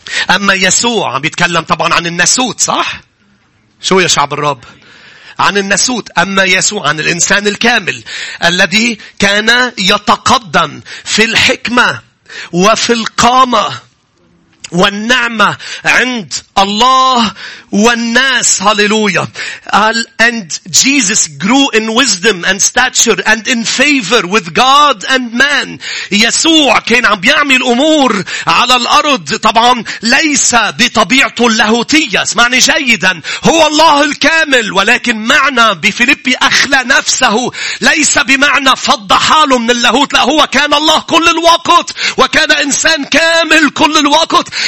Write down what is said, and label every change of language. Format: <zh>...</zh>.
<ar>أما يسوع عم بيتكلم طبعا عن الناسوت صح؟ شو يا شعب الرب؟ عن الناسوت. أما يسوع عن الإنسان الكامل الذي كان يتقدم في الحكمة وفي القامة والنعمة عند الله والناس. هاليلويا.</ar> <en>And Jesus grew in wisdom and stature and in favor with God and man.</en> <ar>يسوع كان عم بيعمل أمور على الأرض طبعا ليس بطبيعته اللاهوتية. اسمعني جيدا. هو الله الكامل ولكن معنى بفيليبي أخلى نفسه ليس بمعنى فض حاله من اللاهوت. لا هو كان الله كل الوقت وكان إنسان كامل كل الوقت.</ar>